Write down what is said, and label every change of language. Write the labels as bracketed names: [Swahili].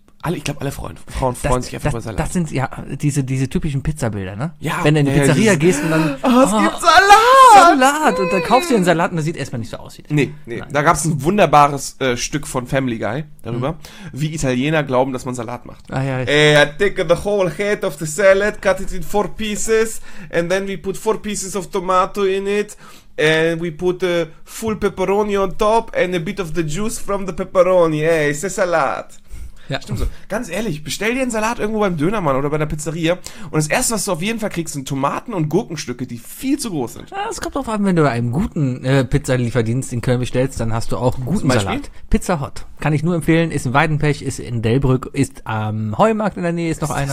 [German] Ich glaube, alle Frauen freuen sich einfach über Salat. Das sind ja diese typischen Pizzabilder, ne? Ja. Wenn du in die Pizzeria gehst und dann... Oh, es gibt Salat! Salat. Und da kaufst du den Salat und das sieht erstmal nicht so aussieht. Nee, nee. Nein. Da gab es ein wunderbares Stück von Family Guy darüber, wie Italiener glauben, dass man Salat macht. Ah, ja, [English] I take the whole head of the salad, cut it in 4 pieces, and then we put 4 pieces of tomato in it. And we put a full pepperoni on top and a bit of the juice from the pepperoni. Hey, it's a salad. [German] Ja. Stimmt so. Ganz ehrlich, bestell dir einen Salat irgendwo beim Dönermann oder bei der Pizzeria und das Erste, was du auf jeden Fall kriegst, sind Tomaten und Gurkenstücke, die viel zu groß sind. Es kommt drauf an, wenn du einen guten Pizzalieferdienst in Köln bestellst, dann hast du auch guten Salat. Pizza Hot. Kann ich nur empfehlen. Ist in Weidenpech, ist in Delbrück, ist am Heumarkt in der Nähe, ist noch einer.